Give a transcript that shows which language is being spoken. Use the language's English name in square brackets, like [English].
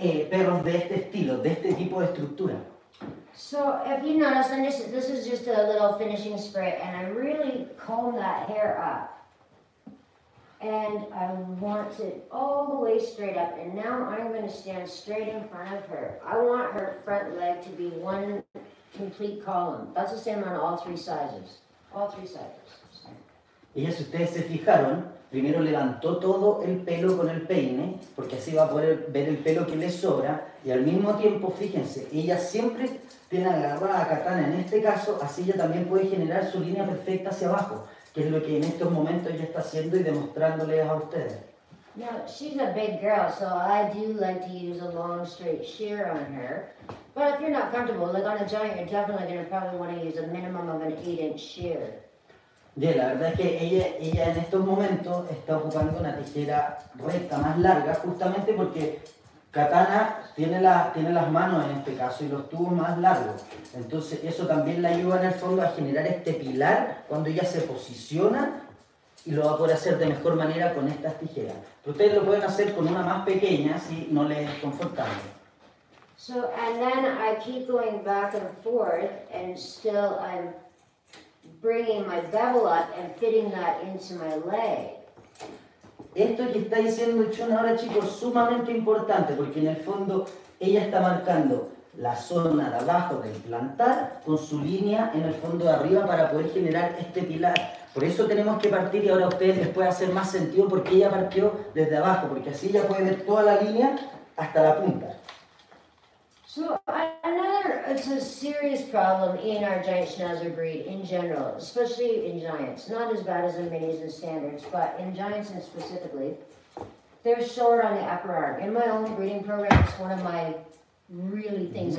[Spanish] Perros de este estilo, de este tipo de estructura. [English] So if you notice, this is just a little finishing spray, and I really comb that hair up, and I want it all the way straight up. And now I'm going to stand straight in front of her. I want her front leg to be one complete column. That's the same on all three sizes. All three sizes. [Spanish] Y si ustedes se fijaron, primero levantó todo el pelo con el peine, porque así va a poder ver el pelo que le sobra, y al mismo tiempo, fíjense, ella siempre tiene agarrada a Katana en este caso, así ella también puede generar su línea perfecta hacia abajo, que es lo que en estos momentos ella está haciendo y demostrándoles a ustedes. [English] Now, she's a big girl, so I do like to use a long straight shear on her, but if you're not comfortable, like on a giant, you're definitely going to probably want to use a minimum of an 8-inch shear. [Spanish] Bien, la verdad es que ella en estos momentos está ocupando una tijera recta, más larga, justamente porque Katana tiene las manos en este caso y los tubos más largos. Entonces eso también la ayuda en el fondo a generar este pilar cuando ella se posiciona y lo va a poder hacer de mejor manera con estas tijeras. Pero ustedes lo pueden hacer con una más pequeña si no les es confortable. [English] So, and then I keep going back and forth and still I'm bringing my bevel up and fitting that into my leg. [Spanish] Esto que está diciendo Chun ahora, chicos, sumamente importante, porque en el fondo ella está marcando la zona de abajo del plantar con su línea en el fondo de arriba para poder generar este pilar. Por eso tenemos que partir, y ahora a ustedes les puede hacer más sentido porque ella partió desde abajo, porque así ella puede ver toda la línea hasta la punta. [English] So it's a serious problem in our giant schnauzer breed in general, especially in giants. Not as bad as in minis and standards, but in giants and specifically, they're short on the upper arm. In my own breeding program, it's one of my really things.